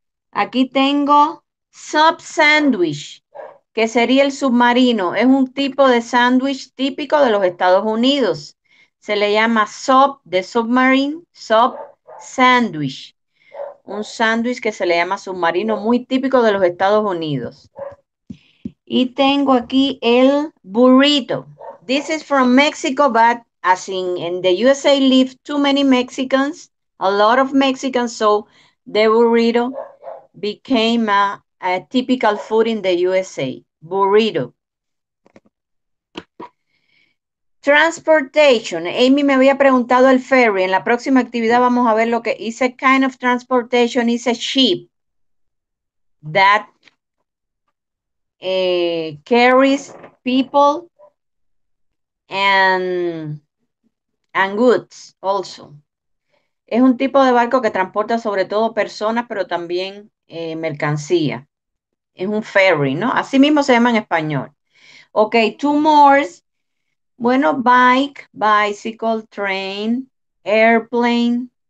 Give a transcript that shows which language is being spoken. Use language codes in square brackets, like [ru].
[es] Aquí tengo sub sandwich, que sería el submarino. Es un tipo de sándwich típico de los Estados Unidos. Se le llama sub de submarine, sub sandwich. Un sándwich que se le llama submarino, muy típico de los Estados Unidos. Y tengo aquí el burrito. [en] This is from Mexico, but as in the USA live too many Mexicans, a lot of Mexicans, so the burrito became a typical food in the USA. [es] Burrito. [en] Transportation. [es] Amy me había preguntado el ferry. En la próxima actividad vamos a ver lo que [en] is a kind of transportation. Is a ship that carries people and goods also. [es] Es un tipo de barco que transporta sobre todo personas, pero también mercancía. Es un ferry, ¿no? Así mismo se llama en español. [en] Ok, two more. Bueno, bike, bicycle, train, airplane.